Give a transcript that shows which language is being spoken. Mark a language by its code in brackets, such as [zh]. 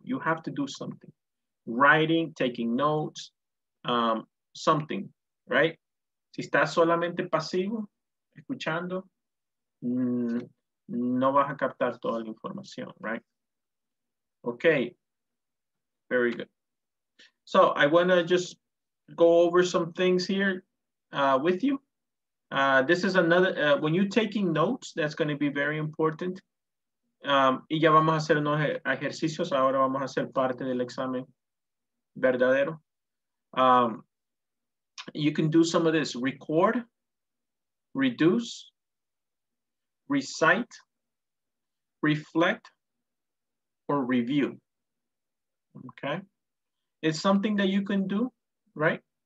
[en] You have to do something. Writing, taking notes, something, right? [es] Si estás solamente pasivo, escuchando, no vas a captar toda la información, right? [en] Okay, very good. So I want to just go over some things here with you. This is another, when you're taking notes, that's going to be very important. [es] Y ya vamos a hacer unos ejercicios, ahora vamos a hacer parte del examen verdadero. [en] You can do some of this, record, reduce, recite, reflect, or review, okay? It's something that you can do, right?